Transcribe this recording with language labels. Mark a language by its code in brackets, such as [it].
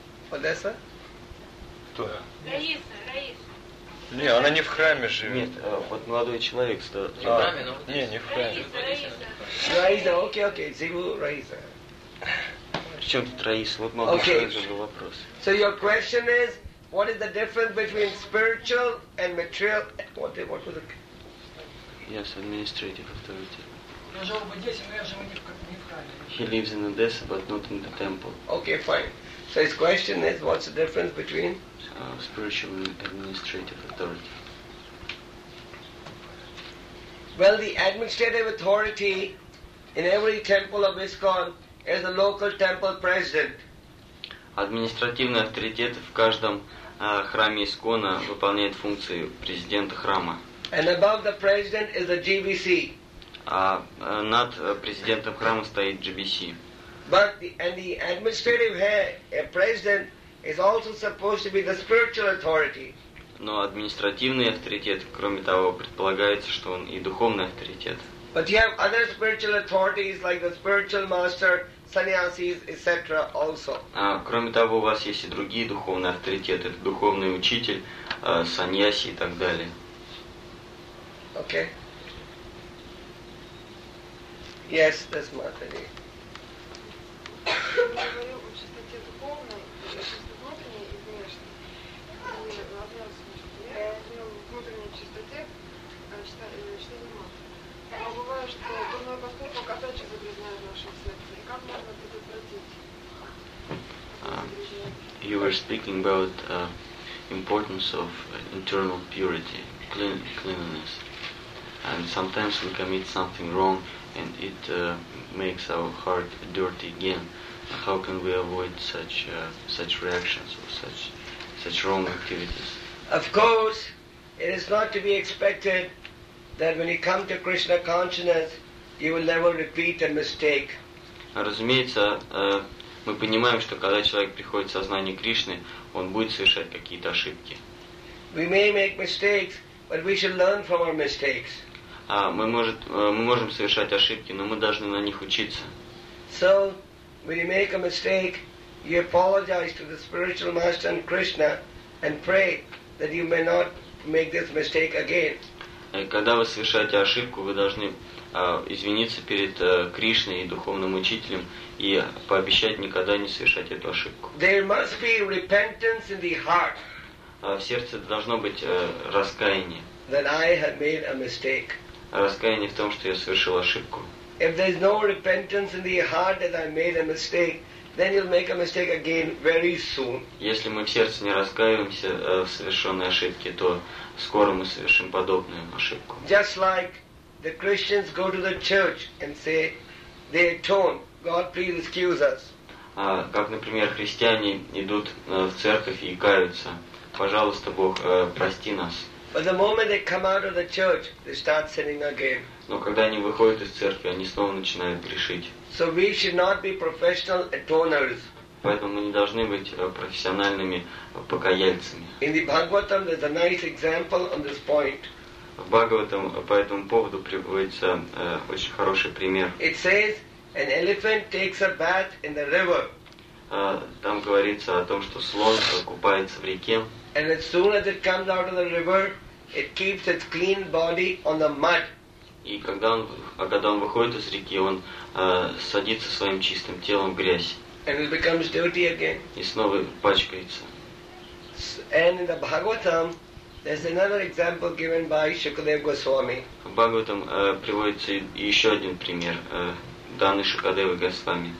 [ru] Одесса? Кто? Раиса. Не, она не в храме живет. Нет, вот молодой человек. Что... Не в храме, но... Не, не в храме. Раиса, окей, окей, Зиву Раиса. В чем тут Раиса? Вот молодой человек задал вопрос. [en] So your question is, what is the difference between spiritual and material? What was it? Yes, administrative authority. He lives in Odessa, but not in the temple. Okay, fine. So his question is, what's the difference between spiritual and administrative authority? Well, the administrative authority in every temple of ISKCON is the local temple president. [ru] Административный авторитет в каждом храме ИСККОНа выполняет функцию президента храма. [en] And above the president is the GBC. [ru] Над президентом храма стоит GBC. [en] But the administrative president is also supposed to be the spiritual authority. [ru] Но административный авторитет, кроме того, предполагается, что он и духовный авторитет. [en] But you have other spiritual authorities like the spiritual master, sannyasis, etc. Also. [ru] Кроме того, у вас есть и другие духовные авторитеты, духовный учитель, саньяси и так далее. [en] Okay. Yes, that's matter. [ru] Я говорю о чистоте духовной, чистоте внутренней и внешней. И в одном случае я говорю о внутренней чистоте, что не могу. Но бывает, что дурной поступок опять же загрязняет наше сердце. И как можно предотвратить? [en] You were speaking about importance of internal purity, cleanliness. And sometimes we commit something wrong, and it makes our heart dirty again. How can we avoid such reactions or such wrong activities? Of course, it is not to be expected that when you come to Krishna consciousness, you will never repeat a mistake. [ru] Разумеется, мы понимаем, что когда человек приходит в сознание Кришны, он будет совершать какие-то ошибки. [en] We may make mistakes, but we should learn from our mistakes. [ru] Мы можем совершать ошибки, но мы должны на них учиться. [en] So, when you make a mistake, you apologize to the spiritual master and Krishna and pray that you may not make this mistake again. [ru] Когда вы совершаете ошибку, вы должны извиниться перед Кришной и духовным учителем и пообещать никогда не совершать эту ошибку. [en] There must be repentance in the heart. [ru] В сердце должно быть раскаяние. [en] That I have made a mistake. [ru] Раскаяние в том, что я совершил ошибку. [en] If there is no repentance in the heart that I made a mistake, then you'll make a mistake again very soon. [ru] Если мы в сердце не раскаиваемся в совершенной ошибке, то скоро мы совершим подобную ошибку. [en] Just like the Christians go to the church and say they atone, God please excuse us. [ru] Как, например, христиане идут в церковь и каются, пожалуйста, Бог, прости нас. [en] But the moment they come out of the church, they start sinning again. [ru] Но когда они выходят из церкви, они снова начинают грешить. [en] So we should not be professional atoners. [ru] Поэтому мы не должны быть профессиональными покаяльцами. [en] In the Bhagavatam, there's a nice example on this point. [ru] В Бхагаватам по этому поводу приводится очень хороший пример. [en] It says an elephant takes a bath in the river. [ru] Там говорится о том, что слон купается в реке. [en] And as soon as it comes out of the river, it keeps its clean body on the mud. [ru] И когда он выходит из реки, он садится своим чистым телом в грязь. [en] And it becomes dirty again. [ru] И снова пачкается. [en] And in the Bhagavatam, There's another example given by Shukadev Goswami. [ru] В Бхагаватам приводится еще один пример, данный Шукадевой Госвами.